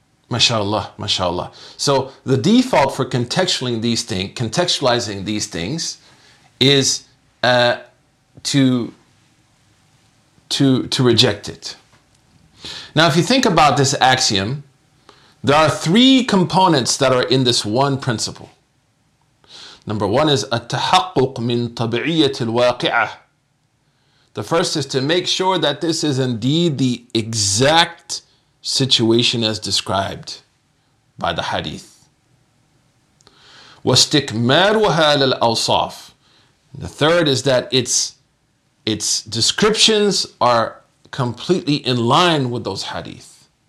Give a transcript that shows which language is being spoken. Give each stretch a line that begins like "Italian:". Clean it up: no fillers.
English: MashaAllah, MashaAllah. So the default for contextualizing these things, is to reject it. Now, if you think about this axiom, there are three components that are in this one principle. Number one is
Arabic: التحقق من طبيعية الواقعة.
English: The first is to make sure that this is indeed the exact situation as described by the hadith.
Arabic: واستكمالها للأوصاف.
English: The third is that it's its descriptions are completely in line with those hadith.